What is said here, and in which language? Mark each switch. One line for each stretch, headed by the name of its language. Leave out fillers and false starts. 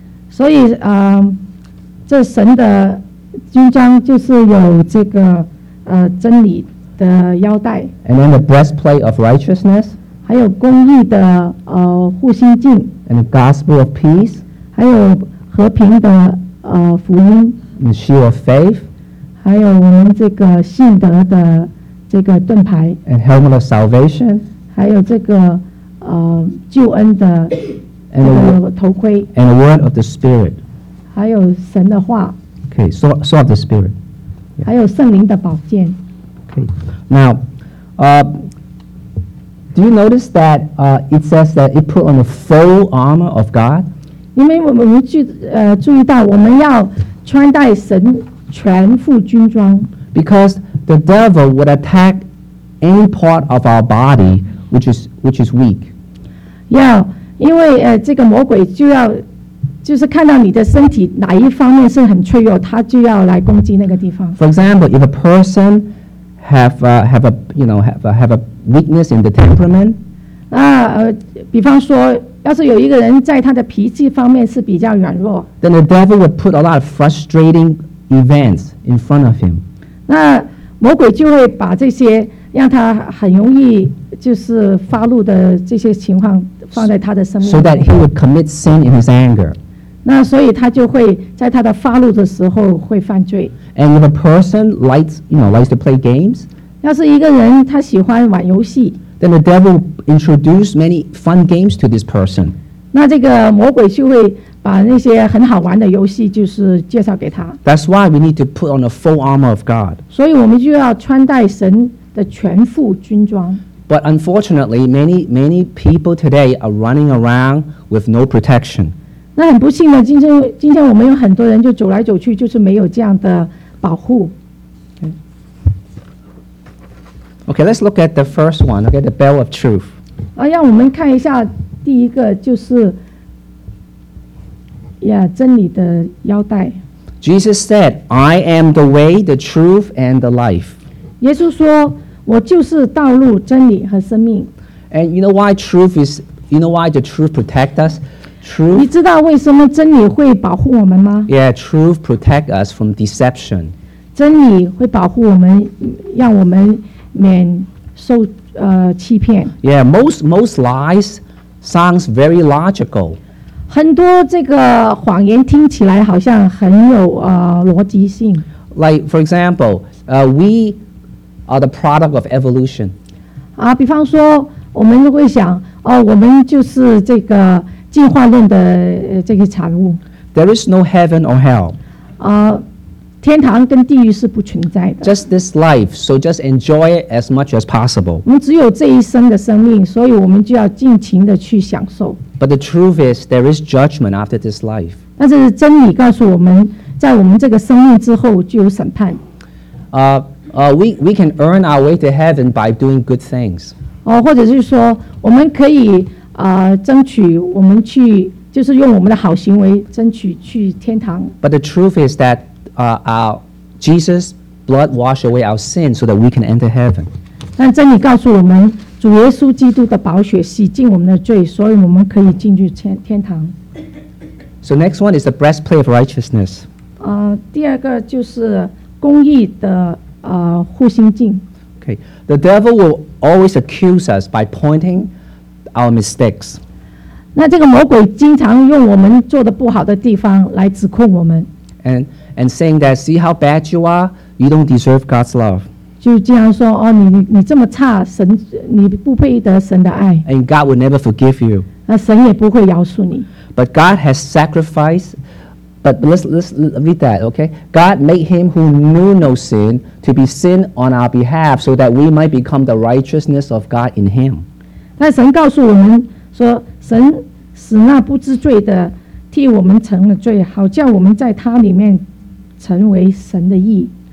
Chinese: 所以，这神的军装就是有这个，真理的腰带。
English: And then the breastplate of righteousness.
Chinese: 还有公义的，护心镜。
English: And the gospel of peace.
Chinese: 还有和平的，福音。
English: The shield of faith.
Chinese: 还有我们这个信德的这个盾牌。
English: And helmet of salvation.
Chinese: 还有这个救恩的头盔。
English: And the word of the spirit.
Chinese: 还有神的话。
English: Okay, sword of the spirit.
Chinese: 还有圣灵的宝剑。
English: Okay, now, do you notice that it says that it put on the full armor of God?
Chinese: 因为我们注意到我们要穿戴神全副军装。
English: Because the devil would attack any part of our body,which is weak.
Chinese: Yeah, 因为这个魔鬼就要就是看到你的身体哪一方面是很脆弱，他就要来攻击那个地方。
English: For example, if a person have a weakness in the temperament,
Chinese: 那比方说，要是有一个人在他的脾气方面是比较软弱，
English: then the devil would put a lot of frustrating events in front of him.
Chinese: 那魔鬼就会把这些让他很容易就是发怒的这些情况放在他的生命里。
English: So that he would commit sin in his anger.
Chinese: 那所以他就会在他的发怒的时候会犯罪。
English: And if a person likes, you know, likes to play games,
Chinese: 要是一个人他喜欢玩游戏。
English: Then the devil introduced many fun games to this person.
Chinese: 那这个魔鬼就会把那些很好玩的游戏就是介绍给他。
English: That's why we need to put on the full armor of God.
Chinese: 所以我们就要穿戴神的全副军装。
English: But unfortunately, many people today are running around with no protection.
Chinese: 那很不幸的，今天我们有很多人就走来走去，就是没有这样的保护。
English: Okay, let's look at the first one. Okay, the belt of truth.
Chinese: 让我们看一下第一个就是，真理的腰带。
English: Jesus said, "I am the way, the truth, and the life."
Chinese: 耶稣说，我就是道路、真理和生命。
English: And you know why truth is? You know why the truth protect us? Truth.
Chinese: 你知道为什么真理会保护我们吗
English: ？Yeah, truth protect us from deception.
Chinese: 真理会保护我们，让我们免受欺骗。
English: Yeah, most lies sounds very logical.
Chinese: 很多这个谎言听起来好像很有逻辑性。
English: Like for example, we are the product of evolution.
Chinese: 比方说我们会想，我们就是这个进化论的这个产物。
English: There is no heaven or hell.
Chinese: 天堂跟地狱是不存在的。
English: Just this life, so just enjoy it as much as possible.
Chinese: 我们只有这一生的生命，所以我们就要尽情的去享受。
English: But the truth is, there is judgment after this life.
Chinese: 但是真理告诉我们，在我们这个生命之后就有审判。
English: We can earn our way to heaven by doing good things.
Chinese: 或者是说，我们可以争取我们去，就是用我们的好行为争取去天堂。
English: But the truth is that Jesus' blood washed away our sin so that we can enter heaven.
Chinese: 但真理告诉我们，主耶稣基督的宝血洗净我们的罪，所以我们可以进去天堂。
English: So next one is the breastplate of righteousness.
Chinese: 第二个就是公义的护心镜。
English: Okay, the devil will always accuse us by pointing our mistakes.
Chinese: 那这个魔鬼经常用我们做的不好的地方来指控我们。
English: And saying that, see how bad you are, you don't deserve God's love.
Chinese: 就这样说，你这么差，神，你不配得神的爱。
English: And God will never forgive you.
Chinese: 那神也不会饶恕你。
English: But God has sacrificed, but let's read that, okay? God made him who knew no sin to be sin on our behalf so that we might become the righteousness of God in him.
Chinese: 但神告诉我们说，神使那不知罪的替我们成了罪，好叫我们在他里面成为神的义。